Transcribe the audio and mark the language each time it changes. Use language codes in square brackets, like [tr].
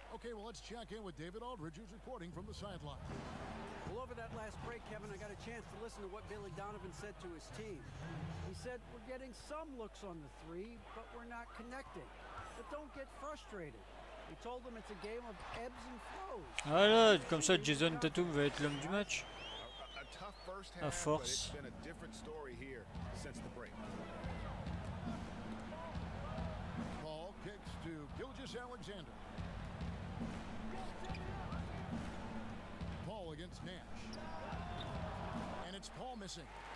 [en] Okay, well, let's check in with David Aldridge, who's reporting from the sideline. Well, over that last break, Kevin, I got a chance to listen to what Billy Donovan said to his team. He said, we're getting some looks on the three, but we're not connecting. But don't get frustrated. He told them it's a game of ebbs and flows. [fr] Voilà, comme ça, Jason Tatum va être l'homme du match. [en] A tough first half, but it's been a different story here since the break. To Gilgeous Alexander. Paul against Nash. And it's Paul missing.